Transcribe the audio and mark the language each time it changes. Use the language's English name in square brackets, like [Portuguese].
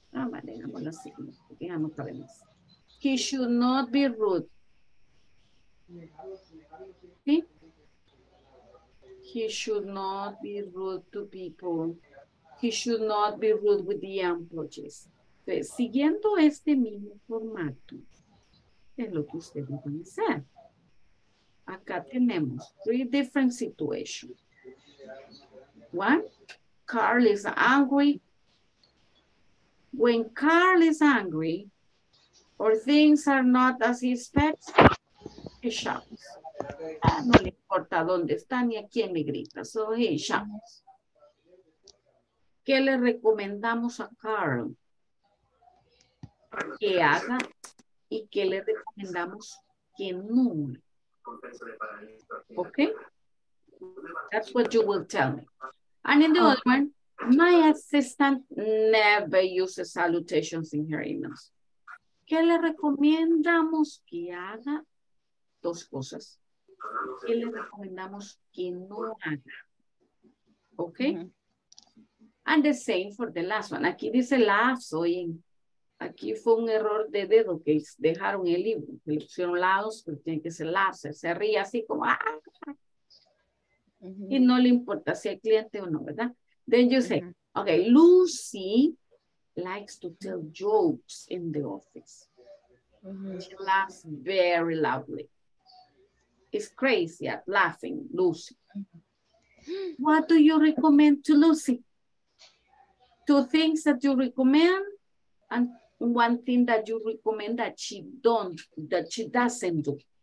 [Spanish] Ah, vale, vamos a seguir, porque ya no sabemos. [English] He should not be rude. ¿Sí? He should not be rude to people. He should not be rude with the employees. [Spanish] Entonces, siguiendo este mismo formato, es lo que ustedes van a hacer. Acá tenemos [English] three different situations. One, Carl is angry. When Carl is angry, or things are not as he expects, he shouts. [Spanish] No le importa dónde está ni a quién le grita, [English] so he shouts. [Spanish] ¿Qué le recomendamos a Carl que haga y qué le recomendamos que no? [English] Okay? That's what you will tell me. And in the other one, my assistant never uses salutations in her emails. [Spanish] ¿Qué le recomendamos que haga? Dos cosas. ¿Qué le recomendamos que no haga? ¿Ok? [English] And the same for the last one. [Spanish] Aquí dice last, oyen. Aquí fue un error de dedo que dejaron el libro. Le pusieron lados, pero tiene que ser last. Se ríe así como ¡ah! Y no le importa si hay cliente o no, ¿verdad? [English] Then you say, okay, Lucy likes to tell jokes in the office. She laughs very loudly. It's crazy at laughing, Lucy. What do you recommend to Lucy? Two things that you recommend and one thing that you recommend that she don't, that she doesn't do.